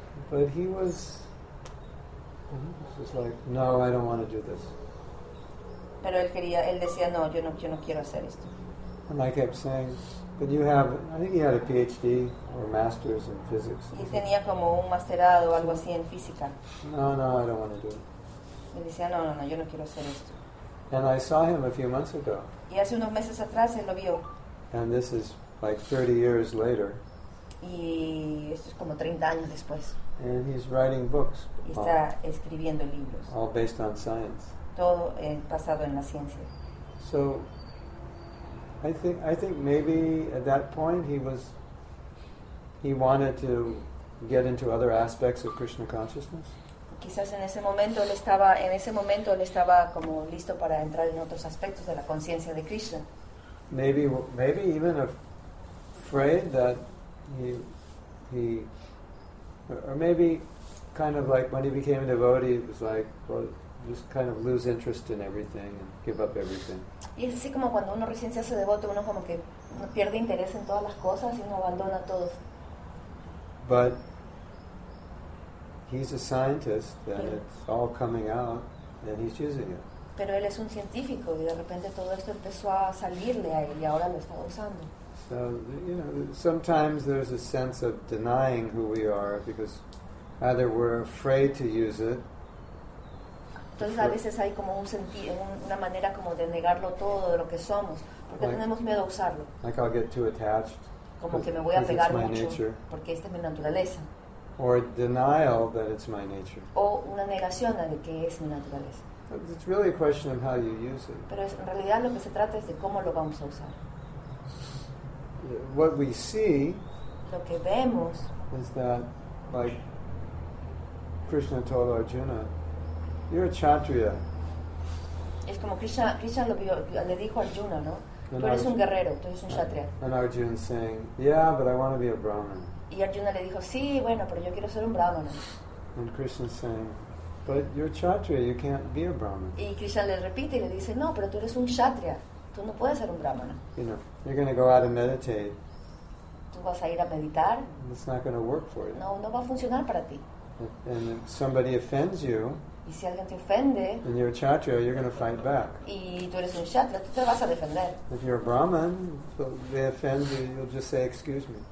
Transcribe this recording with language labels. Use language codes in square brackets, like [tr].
[en] But he was just like, no, I don't want to do this. [es] Pero él quería, él decía, no, yo no quiero hacer esto. [en] And I kept saying, but you have, I think he had a PhD or a master's in physics. [es] Y tenía como un masterado o algo así en física. [en] No, no, I don't want to do it. [es] Y decía, no, yo no quiero hacer esto. [en] And I saw him a few months ago. [es] Y hace unos meses atrás él lo vio. [en] And this is like 30 years later. [es] Y esto es como 30 años después. [en] And he's writing books. [es] Y está all, escribiendo libros. [en] All based on science. [es] Todo basado en la ciencia. [en] So, I think maybe at that point he wanted to get into other aspects of Krishna consciousness. [es] Quizás en ese momento él estaba como listo para entrar en otros aspectos de la conciencia de Krishna. [en] Maybe even afraid that he, or maybe kind of like when he became a devotee, it was like, well, just kind of lose interest in everything and give up everything. [es] Y es así como cuando uno recién se hace devoto, uno como que pierde interés en todas las cosas y uno abandona todo. [en] But he's a scientist, and it's all coming out, and he's using it. [es] Pero él es un científico y de repente todo esto empezó a salirle a él y ahora lo está usando. [en] So, you know, sometimes there's a sense of denying who we are because either we're afraid to use it. [es] Entonces a veces hay como un sentido, una manera como de negarlo todo de lo que somos, porque [en] like, [es] tenemos miedo a usarlo. [en] Like I'll get too attached. [es] Como que me voy a pegar mucho porque esta es mi naturaleza. [en] Or denial that it's my nature. [es] O una negación de que es mi naturaleza. [en] It's really a question of how you use it. [es] Pero en realidad lo que se trata es de cómo lo vamos a usar. [en] What we see, [es] lo que vemos, [en] is that, like Krishna told Arjuna, you're a kshatriya. [es] Es como Krishna le dijo a Arjuna, ¿no? Tú eres un guerrero, tú eres un kshatriya. [en] And Arjuna saying, yeah, but I want to be a brahman. [es] Y Arjuna le dijo, sí, bueno, pero yo quiero ser un brahmana. [en] And Krishna saying, but you're kshatriya, you can't be a brahman. [es] Y Krishna le repite y le dice, no, pero tú eres un kshatriya, tú no puedes ser un brahmana. [en] You know, you're going to go out and meditate. [es] Tú vas a ir a meditar. [en] It's not going to work for you. [es] No va a funcionar para ti. [en] And if somebody offends you, [es] y si alguien te ofende, [en] then you're a kshatriya, you're going to fight back. [es] Y tú eres un kshatriya, tú te vas a defender. [en] If you're a brahman, they offend you, you'll just say, excuse me.